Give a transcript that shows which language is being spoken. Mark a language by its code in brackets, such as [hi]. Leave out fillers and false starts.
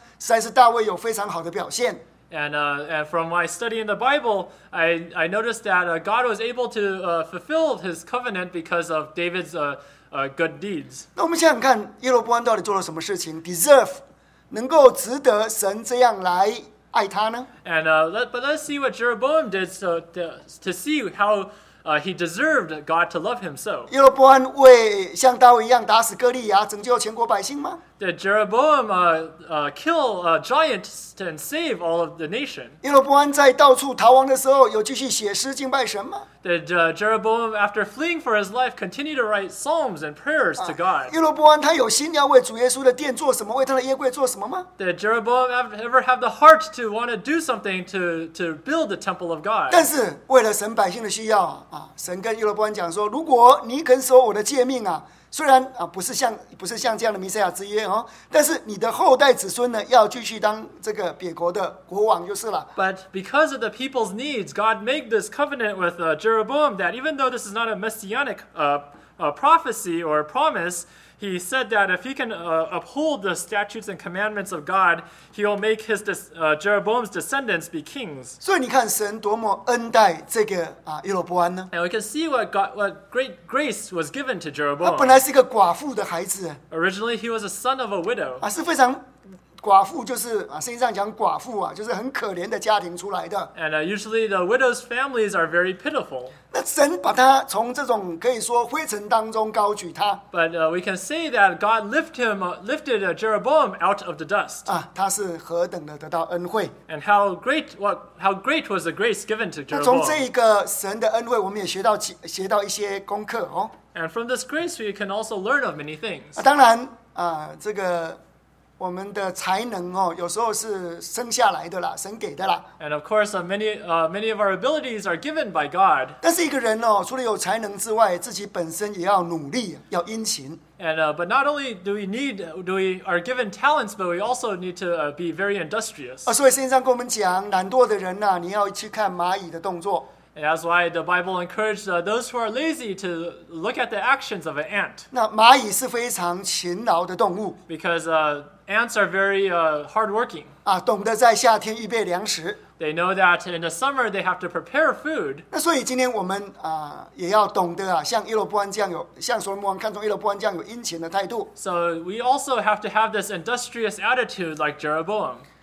[zh] 那大卫实在是表现得可圈可点，他生命当中让我觉得，我读圣经觉得说，神这样对他，对待他这个约呢，实在是大卫有非常好的表现。 [en] And from my study in the Bible, I noticed that God was able to fulfill his covenant because of David's good deeds. [zh] 那我们想想看，耶罗波安到底做了什么事情 [en] deserve [zh] 能够值得神这样来爱他呢？ [en] But let's see what Jeroboam did to see how he deserved God to love him so. [zh] 耶罗波安为像大卫一样打死哥利亚，拯救全国百姓吗？ [en] Did Jeroboam kill a giant and save all of the nation? [zh] 耶罗波安在到处逃亡的时候，有继续写诗敬拜神吗？ [en] Did Jeroboam, after fleeing for his life, continue to write psalms and prayers to God? [zh] 耶罗波安他有心要为主耶稣的殿做什么，为他的耶柜做什么吗？ [en] Did Jeroboam ever have the heart to want to do something to build the temple of God? [zh] 但是为了神百姓的需要，神跟耶罗波安讲说，如果你肯守我的诫命啊。虽然啊不是像这样的弥赛亚之约哦，但是你的后代子孙呢要继续当这个别国的国王就是了。 [en] But because of the people's needs, God made this covenant with Jeroboam that even though this is not a messianic prophecy or promise, he said that if he can uphold the statutes and commandments of God, he will make his Jeroboam's descendants be kings. [zh] 所以你看神多么恩待这个啊约罗伯安呢？ [en] And we can see what great grace was given to Jeroboam. [zh] 他本来是一个寡妇的孩子。 [en] Originally, he was a son of a widow. [zh] 啊，是非常。寡妇就是啊，圣经上讲寡妇啊，就是很可怜的家庭出来的。 [en] And usually the widow's families are very pitiful. [zh] 那神把他从这种可以说灰尘当中高举他。 [en] But we can say that God lifted Jeroboam out of the dust. [zh] 啊，他是何等的得到恩惠。 [en] And how great was the grace given to Jeroboam? [zh] 那从这一个神的恩惠，我们也学到一些功课哦。 [en] And from this grace, we can also learn of many things. [zh] 啊，当然啊，这个。我们的才能哦，有时候是生下来的啦，神给的啦。 [en] And of course, many of our abilities are given by God. [zh] 但是一个人哦，除了有才能之外，自己本身也要努力，要殷勤。 [en] And but not only are given talents, but we also need to be very industrious. [zh] 啊，所以圣经上跟我们讲，懒惰的人呐、啊，你要去看蚂蚁的动作。 [en] And that's why the Bible encouraged those who are lazy to look at the actions of an ant. [zh] 那蚂蚁是非常勤劳的动物。 [en] Because ants are very hardworking. [zh] 啊，懂得在夏天预备粮食。 [en] They know that in the summer they have to prepare food. [zh] 那所以今天我们啊，也要懂得啊，像耶罗波安这样有，像所罗门王看中耶罗波安这样有殷勤的态度。 [en] So we also have to have this industrious attitude like Jeroboam.